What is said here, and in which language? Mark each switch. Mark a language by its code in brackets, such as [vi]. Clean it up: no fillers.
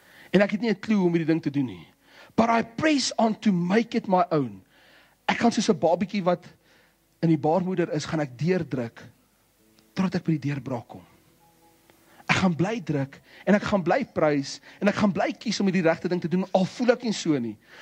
[af] En ek het nie 'n klou om hierdie ding te doen nie. [en] But I press on to make it my own. [af] Ek gaan soos 'n babietjie wat in die baarmoeder is, gaan ek deurdruk totdat ek by die deurbraak kom. Ek gaan bly druk en ek gaan bly prys en ek gaan bly kies om hierdie regte ding te doen al voel ek nie so nie.